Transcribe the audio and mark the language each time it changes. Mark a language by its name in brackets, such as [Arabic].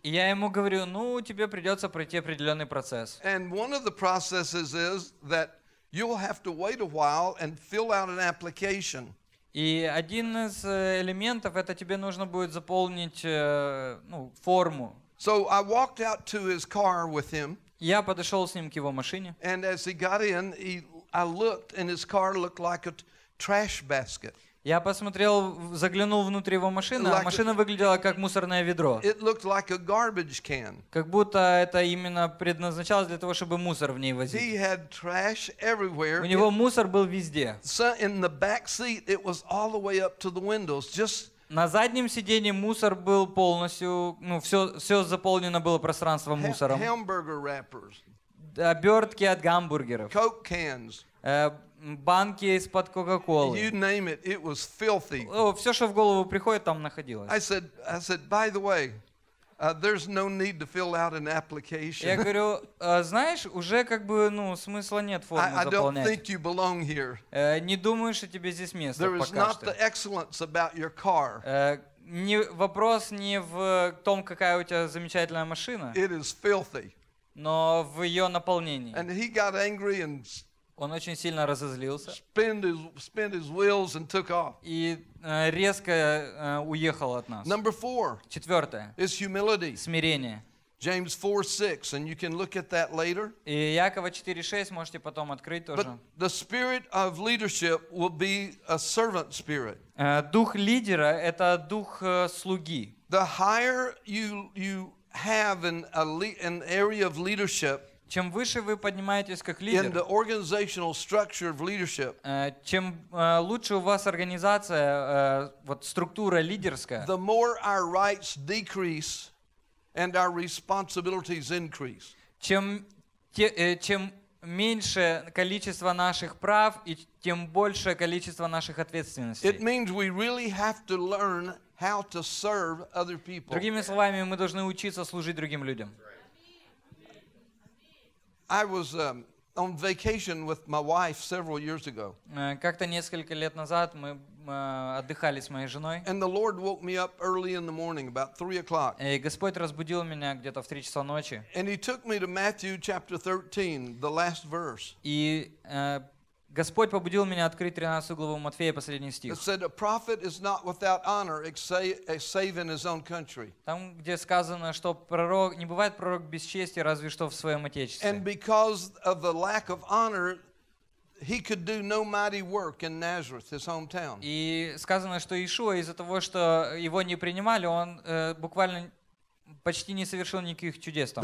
[Russian] И я ему говорю, ну, тебе придется пройти определенный процесс. [English] And one of the processes is that you'll have to wait a while and fill out an application. [Russian] И один из элементов, это тебе нужно будет заполнить форму. [English] So I walked out to his car with him. [Russian] Я подошел с ним к его машине. [English] And as he got in, I looked and his car looked like a trash basket. [Russian] Я посмотрел, заглянул внутрь его машины, а машина выглядела как мусорное ведро. [English] It looked like a garbage can. [Russian] Как будто это именно предназначалось для того, чтобы мусор в ней возить. [English] He had trash everywhere. [Russian] У него мусор был везде. [English] In the back seat it was all the way up to the windows. Just [Russian] на заднем сиденье мусор был полностью, ну, все заполнено было пространство мусором. [English] Hamburger wrappers. [Russian] Обертки от гамбургеров. [English] Coke cans. [Russian] Банки из-под Кока-Колы. [English] You name it, it was filthy. [Russian] Все, что в голову приходит, там находилось. [English] I said, by the way, there's no need to fill out an application. [Russian] Я говорю, знаешь, уже как бы, ну, смысла нет формы заполнять. [English] I don't think you belong here. [Russian] Не думаю, что тебе здесь место. [English] There is not the excellence about your car. [Russian] Вопрос не в том, какая у тебя замечательная машина. [English] It is filthy. [Russian] Но в ее наполнении. [English] And he got angry and [Russian] он очень сильно разозлился. [English] Spin his wheels and took off. [Russian] И резко уехал от нас. [English] Number four. [Russian] Четвертое. [English] Is humility. [Russian] Смирение. [English] James 4:6, and you can look at that later. [Russian] И Якова 4:6 можете потом открыть тоже. [English] But the spirit of leadership will be a servant spirit. [Russian] Дух лидера это дух слуги. [English] The higher you have in an area of leadership. [Russian] Чем выше вы поднимаетесь как лидер, чем лучше у вас организация, вот структура лидерская, [English] the more our rights decrease and our responsibilities increase. [Russian] Чем меньше количество наших прав и тем большее количество наших ответственностей. [English] It means we really have to learn how to serve other people. [Russian] Другими словами, мы должны учиться служить другим людям. [English] I was on vacation with my wife several years ago. [Russian] Как-то несколько лет назад мы отдыхали с моей женой. [English] And the Lord woke me up early in the morning, about 3:00. [Russian] И Господь разбудил меня где-то в 3:00 ночи. [English] And He took me to Matthew chapter 13, the last verse. [Russian] И Господь побудил меня открыть 13 главу Матфея, последний стих. [English] It said, a prophet is not without honor, save in his own country. [Russian] Там, где сказано, что пророк, не бывает пророк без чести, разве что в своем отечестве. [English] And because of the lack of honor, he could do no mighty work in Nazareth, his hometown. [Russian] И сказано, что Иешуа из-за того, что его не принимали, он буквально почти не совершил никаких чудес там.